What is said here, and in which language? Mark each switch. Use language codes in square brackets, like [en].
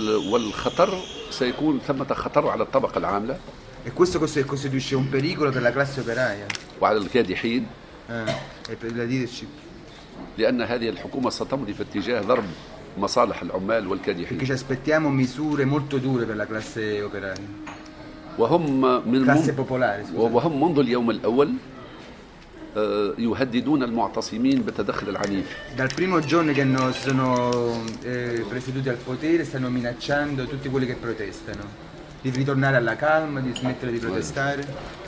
[ar] والخطر سيكون ثمة خطر على الطبقة العاملة. [it] E questo costituisce un pericolo per la classe operaia. [ar] وعلى الكادحين. [it] E per la leadership. [ar] لأن هذه الحكومة ستمضي في اتجاه ضرب مصالح العمال والكادحين. [it] Perché ci aspettiamo misure molto dure per la classe operaia. [ar] وهم من [it] classe popolare. [ar] وهم منذ اليوم الأول يهددون المعتصمين بالتدخل العنيف. [it] Dal primo giorno che hanno sono presieduti al potere stanno minacciando tutti quelli che protestano di ritornare alla calma, di smettere di protestare.